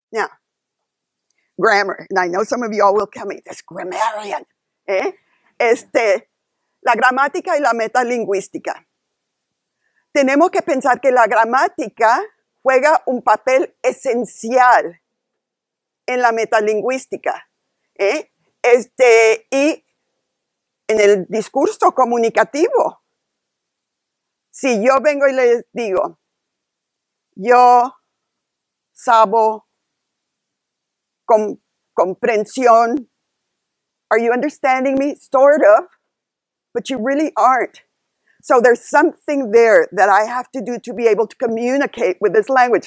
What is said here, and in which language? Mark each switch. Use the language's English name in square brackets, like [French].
[English] Now, grammar, and I know some of you all will tell me, this grammarian, ¿eh? [Spanish] La gramática y la metalingüística. Tenemos que pensar que la gramática juega un papel esencial en la metalingüística, ¿eh? Y en el discurso comunicativo. Si yo vengo y les digo, yo sabo comprensión. [English] Are you understanding me? Sort of, but you really aren't. So there's something there that I have to do to be able to communicate with this language.